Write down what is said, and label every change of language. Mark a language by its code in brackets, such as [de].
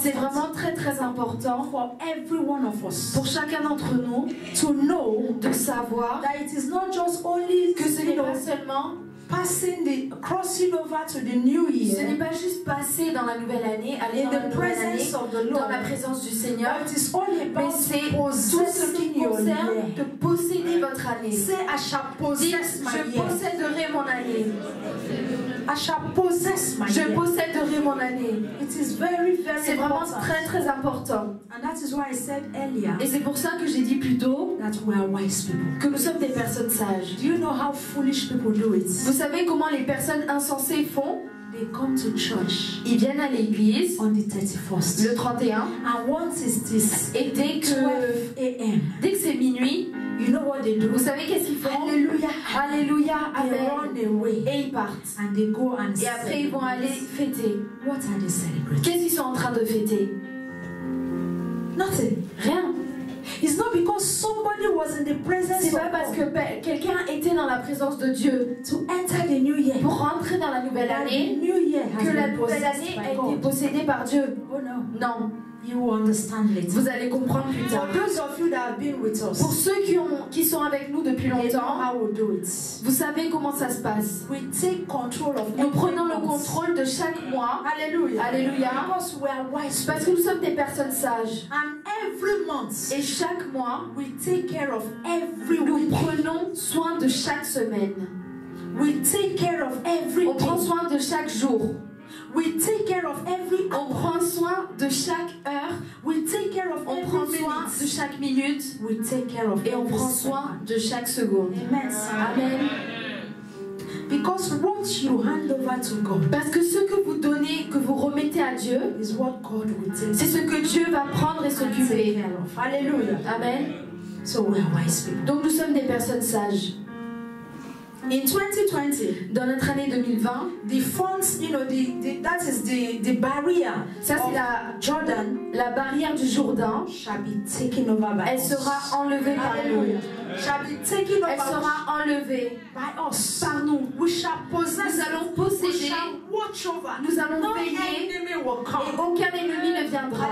[fr] C'est vraiment très, très important [en] for every one of us, [fr] pour chacun d'entre nous, [en] to know, [fr] de savoir, [en] that it is not just only, [fr] que ce n'est pas seulement [en] passing the crossing over to the new year. [fr] Ce n'est pas juste passer dans la nouvelle année, aller dans la nouvelle année, [en] of the Lord, [fr] dans la présence du Seigneur. [en] It is all about [fr] c'est tout ce qui concerne de posséder votre année. C'est à chaque [en] possess my [fr] je [en] year. [fr] Posséderai mon année. À chaque [en] possess my [fr] je [en] year. [fr] Posséderai mon année. [en] It is very, very [fr] c'est vraiment [en] important. [fr] Très très important. [en] And that is why I said earlier. [fr] Et c'est pour ça que j'ai dit plus tôt [en] that we are wise people. [fr] Que nous sommes des personnes sages. [en] Do you know how foolish people do it? [fr] Vous savez comment les personnes insensées font? [en] They come to church. [fr] Ils viennent à l'église [en] on the 31st. [fr] Le 31. [en] And what is this? [fr] Et dès que [en] 12 a.m. [fr] dès que c'est minuit, [en] you know what they do? [fr] Vous savez qu'est-ce qu'ils font? [en] Alléluia. [fr] Alléluia. [en] They run away. [fr] Et ils partent. [en] And they go and [fr] et après ils vont aller fêter. [en] What are they celebrating? [fr] Qu'est-ce qu'ils sont en train de fêter? [en] Nothing. [fr] Rien. [en] It's not because somebody was in the presence [fr] c'est pas parce que quelqu'un était dans la présence de Dieu [en] to enter the new year. [fr] Pour rentrer dans la nouvelle [en] that [fr] année [en] new year has [fr] que la nouvelle année a été possédée par Dieu. [en] Oh no. [fr] Non. [en] You will understand later. [fr] Vous allez comprendre plus tard. [en] For those of you that have been with us, [fr] pour ceux qui sont avec nous depuis longtemps, [en] how we do it. [fr] Vous savez comment ça se passe. [en] We take control of [fr] nous prenons le contrôle de chaque mois. [en] Alléluia. [fr] Alléluia. [en] Because we are wise. [fr] Parce que nous sommes des personnes sages. [en] And every month, [fr] et chaque mois, [en] we take care of every [fr] nous [en] week. [fr] Prenons soin de chaque semaine. [en] We take care of every [fr] on prend soin de chaque jour. [en] We take care of every [fr] on prend soin de chaque heure. [en] We take care of [fr] on prend soin [en] minute. [fr] De chaque minute. [en] We take care of [fr] et on prend soin de chaque seconde. [en] Amen. [fr] Amen. [en] Because what you hand over to God, [fr] parce que ce que vous donnez, que vous remettez à Dieu, [en] is what God will take. [fr] C'est ce que Dieu va prendre et s'occuper. [en] Alléluia. [fr] Amen. [en] So we are wise people. [fr] Donc nous sommes des personnes sages. [en] In 2020, [fr] dans notre année 2020, [en] the fonds, you know, the that is the barrier. [fr] Ça c'est la [en] Jordan, [fr] la barrière du Jourdain. [en] Shall be taken over by [fr] elle [en] us. [fr] Sera enlevée [en] Alleluia. [fr] Par nous. [en] Shall be taken over [fr] elle sera enlevée [en] by us. [fr] Par nous. [en] We shall possess. [fr] Nous allons posséder. [en] We shall watch over. [fr] Nous allons [en] no [fr] veiller. [en] Enemy will come. [fr] Et aucun ennemi ne viendra.